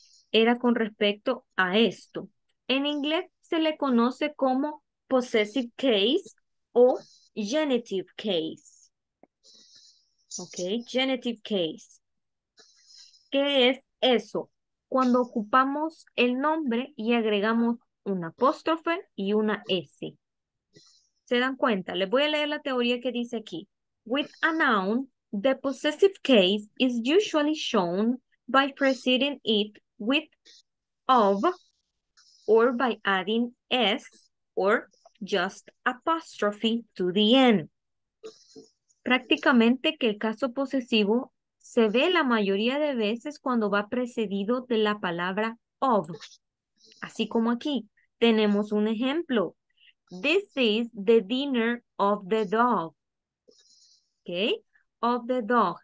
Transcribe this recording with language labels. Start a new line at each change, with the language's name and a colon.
Spanish: Era con respecto a esto. En inglés se le conoce como possessive case o genitive case. ¿Ok? Genitive case. ¿Qué es eso? Cuando ocupamos el nombre y agregamos una apóstrofe y una S. ¿Se dan cuenta? Les voy a leer la teoría que dice aquí.
English: With a noun, the possessive case is usually shown by preceding it with of or by adding S or just apostrophe to the end.
Spanish: Prácticamente que el caso posesivo se ve la mayoría de veces cuando va precedido de la palabra of. Así como aquí, tenemos un ejemplo.
English: This is the dinner of the dog. ¿Ok? Of the dog.